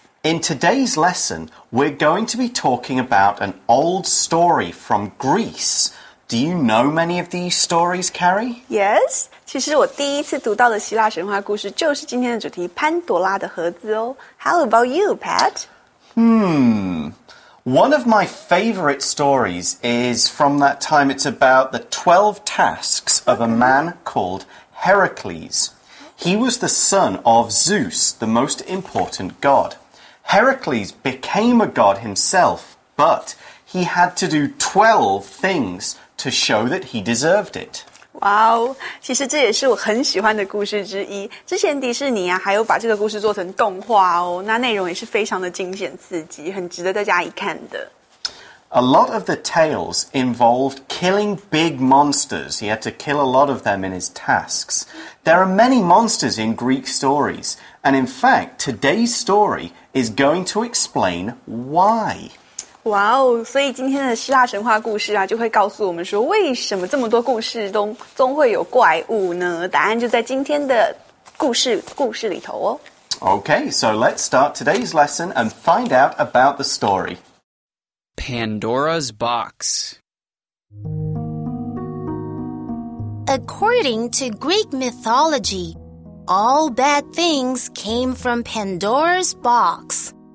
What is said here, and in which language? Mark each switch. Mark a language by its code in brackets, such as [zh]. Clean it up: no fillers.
[en] In today's lesson, we're going to be talking about an old story from Greece. Do you know many of these stories, Carrie? [zh] Yes, 其实我第一次读到的希腊神话故事就是今天的主题潘多拉的盒子哦。 [en] How about you, Pat? One of my favorite stories is from that time. It's about the 12 tasks of a man called Heracles. He was the son of Zeus, the most important god. Heracles became a god himself, but he had to do 12 things to show that he deserved it. [zh] Wow, 其实这也是我很喜欢的故事之一。之前迪士尼啊，还有把这个故事做成动画哦，那内容也是非常的惊险刺激，很值得大家一看的。 [en] A lot of the tales involved killing big monsters. He had to kill a lot of them in his tasks. There are many monsters in Greek stories. And in fact, today's story is going to explain why. [zh] Wow, 所以今天的希腊神话故事啊，就会告诉我们说为什么这么多故事中总会有怪物呢？答案就在今天的故事里头哦。 [en] Okay, so let's start today's lesson and find out about the story. Pandora's Box. According to Greek mythology, all bad things came from Pandora's Box.